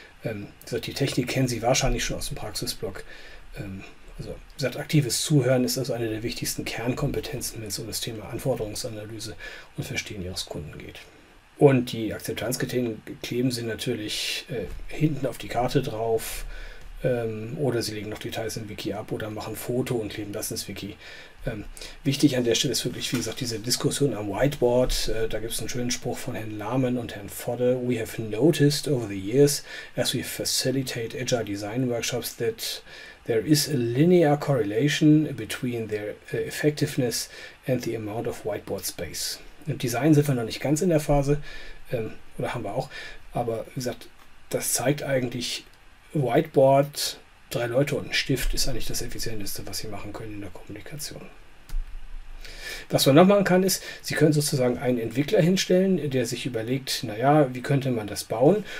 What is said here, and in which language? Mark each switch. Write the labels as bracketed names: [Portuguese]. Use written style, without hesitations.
[German] Die Technik kennen Sie wahrscheinlich schon aus dem Praxisblock. Also, wie gesagt, aktives Zuhören ist also eine der wichtigsten Kernkompetenzen, wenn es um das Thema Anforderungsanalyse und Verstehen Ihres Kunden geht. Und die Akzeptanzkriterien kleben Sie natürlich hinten auf die Karte drauf, oder Sie legen noch Details im Wiki ab oder machen Foto und kleben das ins Wiki. Wichtig an der Stelle ist wirklich, wie gesagt, diese Diskussion am Whiteboard. Da gibt es einen schönen Spruch von Herrn Lahmann und Herrn Fodde: [English] We have noticed over the years, as we facilitate Agile Design Workshops, that there is a linear correlation between their effectiveness and the amount of whiteboard space. [German] Im Design sind wir noch nicht ganz in der Phase, oder haben wir auch, aber wie gesagt, das zeigt eigentlich, Whiteboard, drei Leute und ein Stift ist eigentlich das Effizienteste, was Sie machen können in der Kommunikation. Was man noch machen kann, ist, Sie können sozusagen einen Entwickler hinstellen, der sich überlegt, naja, wie könnte man das bauen?